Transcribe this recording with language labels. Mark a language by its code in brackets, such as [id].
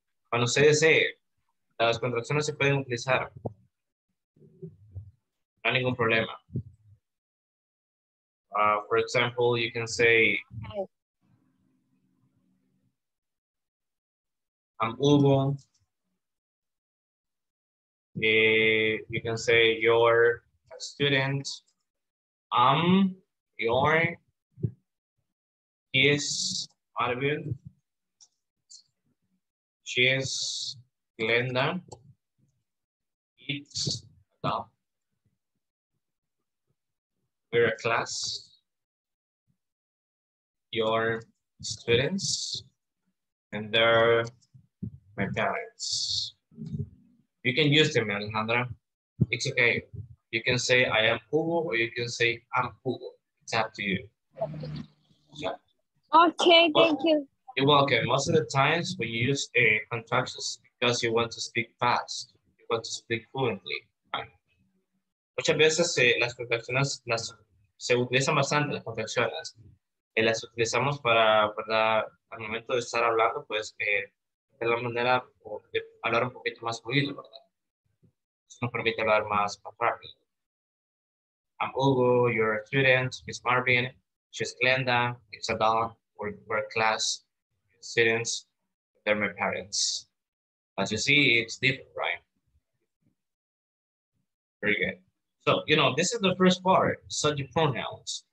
[es] Cuando se desee, las contracciones se pueden utilizar. No hay ningún problema. [en] For example, you can say, okay. I'm Hugo. You can say you're a student. Your is Marvin. She is Glenda. It's Adam. We're a class. Your students, and they're my parents. You can use them, Alejandra. It's okay. You can say I am Hugo or you can say I'm Hugo. It's up to you. Yeah. Okay, well, thank you. You're welcome. Most of the times we use a contractions because you want to speak fast. You want to speak fluently. [es] Muchas veces las contracciones se utilizan bastante, las contracciones. Las utilizamos para al momento de estar hablando, pues que es la manera de hablar un poquito más fluido, ¿verdad? Eso nos permite hablar más, más rápido. [en] I'm Hugo, you're a student, Miss Marvin, she's Glenda, it's Adela, we're class students, they're my parents. As you see, it's different, right? Very good. So, you know, this is the first part, subject pronouns.